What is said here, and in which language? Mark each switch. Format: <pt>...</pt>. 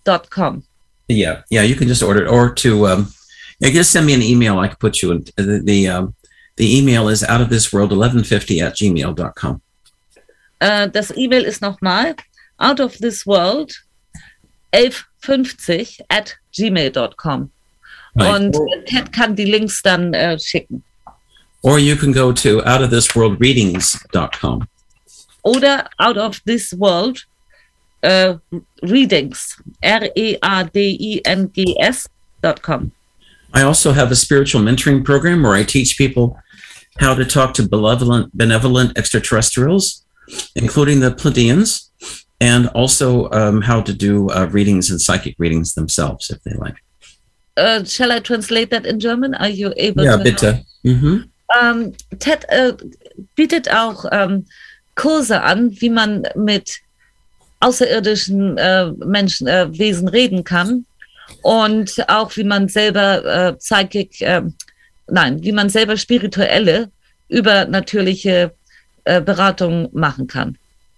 <en>Com. Yeah, you can just order it, or to just send me an email. I can put you in the email is outofthisworld1150@gmail.com.</en> <de>Das E-Mail ist nochmal outofthisworld1150@gmail.com. Right. Und Ted kann die Links dann schicken.</de> <en>Or you can go to outofthisworldreadings.com.</en> <de>Oder out of this world. Readings, readings.com.</de> <en>I also have a spiritual mentoring program where I teach people how to talk to benevolent extraterrestrials, including the Pleiadians, and also how to do readings and psychic readings themselves, if they like. Shall I translate that in German? Are you able to? Yeah, bitte. Mm-hmm.</en> <de>Ted bietet auch Kurse an, wie man mit außerirdischen Menschen, Wesen reden kann und auch wie man selber spirituelle übernatürliche Beratung machen kann.</de>